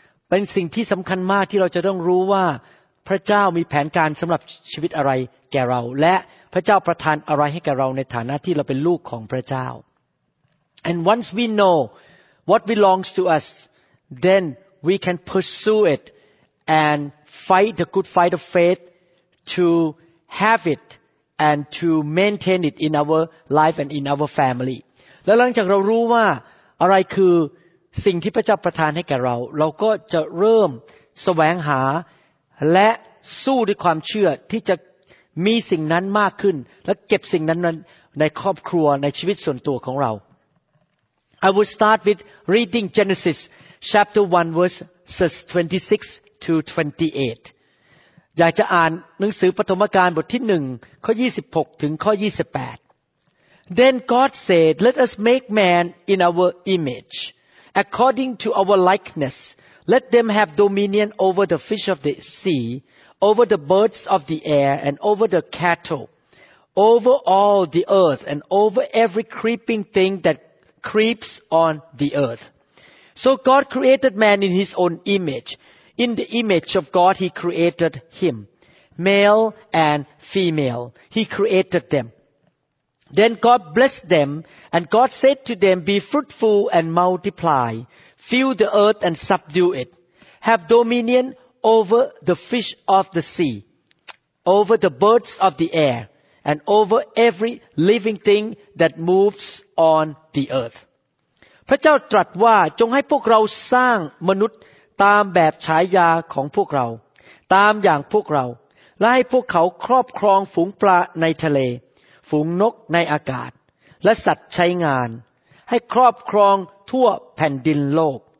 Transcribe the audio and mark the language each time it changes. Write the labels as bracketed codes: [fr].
[th] เป็นสิ่งที่สำคัญมากที่เราจะต้องรู้ว่าพระเจ้ามีแผนการสำหรับชีวิตอะไรแก่เราและพระเจ้าประทานอะไรให้แก่เราในฐานะที่เราเป็นลูกของพระเจ้า [en] And once we know what belongs to us, then we can pursue it and fight the good fight of faith to have it. And to maintain it in our life and in our family. [th] แล้วหลังจากเรารู้ว่าอะไรคือสิ่งที่พระเจ้าประทานให้แก่เราเราก็จะเริ่มแสวงหาและสู้ด้วยความเชื่อที่จะมีสิ่งนั้นมากขึ้นและเก็บสิ่งนั้นในครอบครัวในชีวิตส่วนตัวของเรา [en] I would start with reading Genesis chapter 1 verses 26 to 28. [th] อยากจะอ่านหนังสือปฐมกาลบทที่1ข้อ26ถึงข้อ28 [en] Then God said, Let us make man in our image, according to our likeness. Let them have dominion over the fish of the sea, over the birds of the air, and over the cattle, over all the earth, and over every creeping thing that creeps on the earth. So God created man in his own image. In the image of God, He created him. Male and female, He created them. Then God blessed them, and God said to them, Be fruitful and multiply. Fill the earth and subdue it. Have dominion over the fish of the sea, over the birds of the air, and over every living thing that moves on the earth. [th] พระเจ้าตรัสว่าจงให้พวกเราสร้างมนุษย์ตามแบบฉายาของพวกเราตามอย่างพวกเราและให้พวกเขาครอบครองฝูงปลาในทะเลฝูงนกในอากาศและสัตว์ใช้งานให้ครอบครองทั่วแผ่นดินโลก